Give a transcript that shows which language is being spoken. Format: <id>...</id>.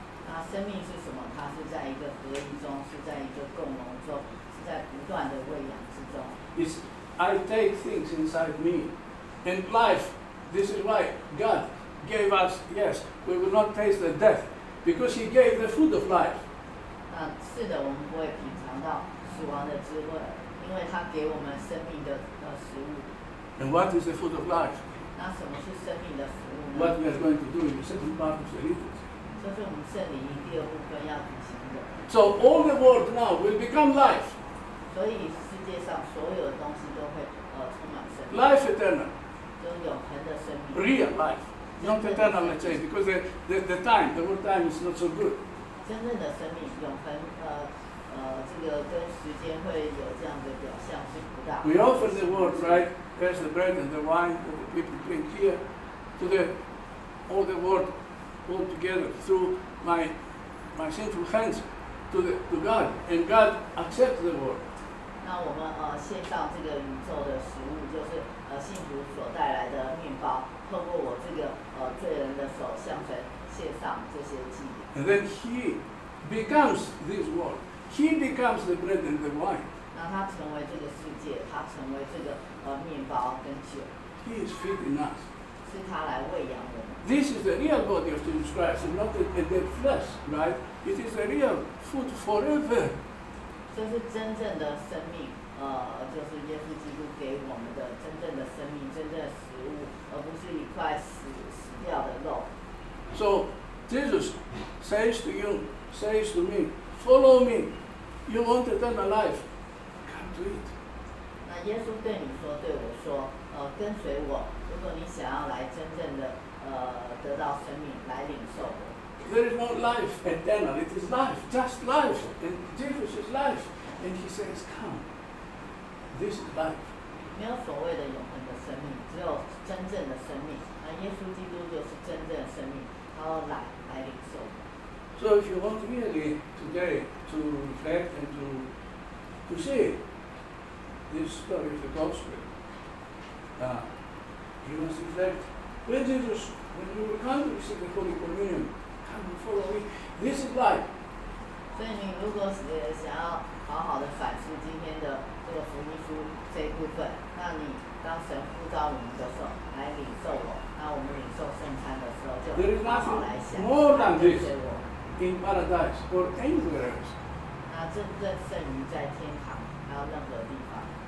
<zh>那生命是什么？它是在一个合一中，是在一个共荣中，是在不断的喂养之中。</zh> <en>It's I take things inside me, and life. This is why God gave us. Yes, we will not taste the death, because He gave the food of life.</en> <zh>那是的，我们不会品尝到死亡的滋味。因为他给我们生命的食物。</zh> <en>And what is the food of life?</en> <zh>那什么是生命的食物呢</zh> <en>？What we are going to do in the second part of the liturgy.</en> <zh>这是我们圣礼仪第二部分要举行的。</zh> <en>So all the world now will become life.</en> <zh>所以世界上所有的东西都会充满生命。</zh> <en>Life eternal.</en> <zh>就永恒的生命。</zh> <en>Real life, not eternal change, because the time, the world time is not so good.</en> <zh>真正的生命，永恒这个跟时间会有这样的表象是不大。</zh> <en>We offer the world, right? There's the bread and the wine that the people drink here to all the world all together through my sinful hands to God, and God accepts the word.</en> <zh>那我们献上这个宇宙的食物，就是信徒所带来的面包，透过我这个罪人的手向神献上这些祭物。</zh> <en>And then he becomes this word. He becomes the bread and the wine.</en> <zh>那他成为这个世界，他成为这个面包跟酒。</zh> <en>He is feeding us.</en> <zh>是他来喂养我们。</zh> <en>This is the real body of Jesus Christ, not a dead flesh, right? It is a real food forever.</en> <zh>这是真正的生命，就是耶稣基督给我们的真正的生命，真正的食物，而不是一块死掉的肉。</zh> <en>So Jesus says to you, says to me, follow me. You want eternal life? Come to it.</en> <zh>那耶稣对你说，对我说，跟随我。如果你想要来真正的得到生命来领受。</zh> <en>There is no life eternal, it is life, just life. And Jesus is life. And he says, come, this is life.</en> <zh>没有所谓的永恒的生命，只有真正的生命。那耶稣基督就是真正的生命，他要来领受。</zh> <en>So if you want really today to reflect and to see this story of the gospel, you must reflect. When Jesus, when you will come to receive the Holy Communion, come and follow me. This is life.</en> <zh>所以你如果想要好好的反思今天的这个福音书这一部分，那你当神呼召我们的时候，来领受我。那我们领受圣餐的时候，就好好来想。</zh> <en>There is nothing more than this in paradise or anywhere else.</en> <zh>那这正胜于在天堂还有任何地方。</zh>